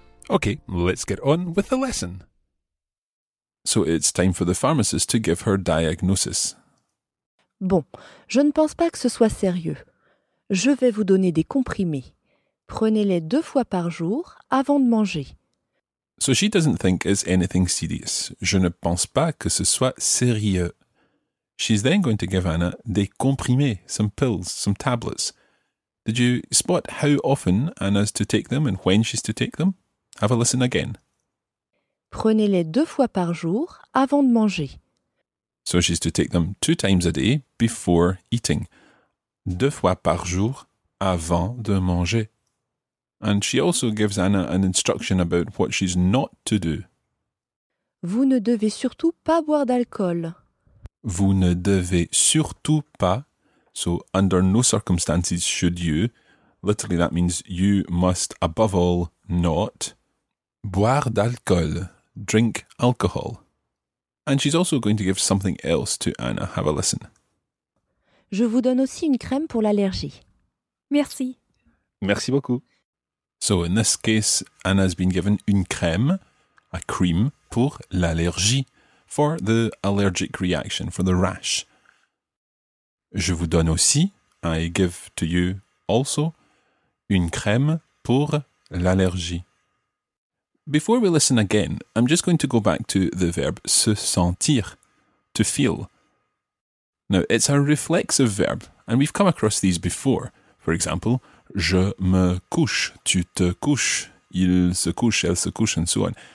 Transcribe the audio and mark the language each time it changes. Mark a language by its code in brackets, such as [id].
[en] Okay, let's get on with the lesson. So it's time for the pharmacist to give her diagnosis. [fr] Bon, je ne pense pas que ce soit sérieux. Je vais vous donner des comprimés. Prenez-les deux fois par jour avant de manger. [en] So she doesn't think it's anything serious. [fr] Je ne pense pas que ce soit sérieux. [en] She's then going to give Anna [fr] des comprimés, [en] some pills, some tablets. Did you spot how often Anna's to take them and when she's to take them? Have a listen again. [fr] Prenez-les deux fois par jour avant de manger. [en] So she's to take them two times a day before eating. [fr] Deux fois par jour avant de manger. [en] And she also gives Anna an instruction about what she's not to do. [fr] Vous ne devez surtout pas boire d'alcool. Vous ne devez surtout pas. [en] So under no circumstances should you. Literally that means you must above all not. [fr] Boire d'alcool. [en] Drink alcohol. And she's also going to give something else to Anna. Have a listen. [fr] Je vous donne aussi une crème pour l'allergie. Merci. Merci beaucoup. [en] So in this case, Anna has been given une crème, a cream, [fr] pour l'allergie, [en] for the allergic reaction, for the rash. [fr] Je vous donne aussi, [en] I give to you also, [fr] une crème pour l'allergie. [en] Before we listen again, I'm just going to go back to the verb se sentir, to feel. Now, it's a reflexive verb, and we've come across these before. For example, [fr] je me couche, tu te couches, il se couche, [en] elle se couche, and so on.